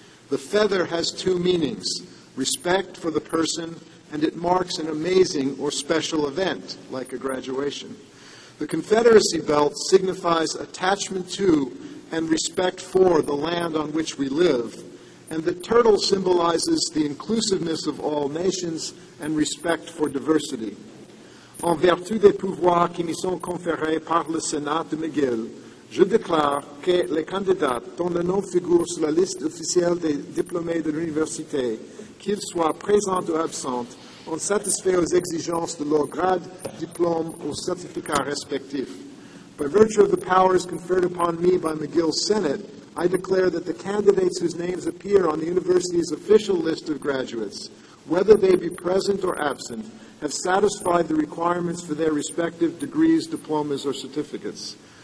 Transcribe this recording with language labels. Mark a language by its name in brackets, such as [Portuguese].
[English] The feather has two meanings, respect for the person, and it marks an amazing or special event, like a graduation. The Confederacy belt signifies attachment to and respect for the land on which we live, and the turtle symbolizes the inclusiveness of all nations and respect for diversity. [French] En vertu des pouvoirs qui me sont conférés par le Sénat de McGill, je déclare que les candidats dont le nom figure sur la liste officielle des diplômés de l'université, qu'ils soient présents ou absents, ont satisfait aux exigences de leur grade, diplôme ou certificat respectif. [English] By virtue of the powers conferred upon me by McGill's Senate, I declare that the candidates whose names appear on the university's official list of graduates, whether they be present or absent, have satisfied the requirements for their respective degrees, diplomas, or certificates.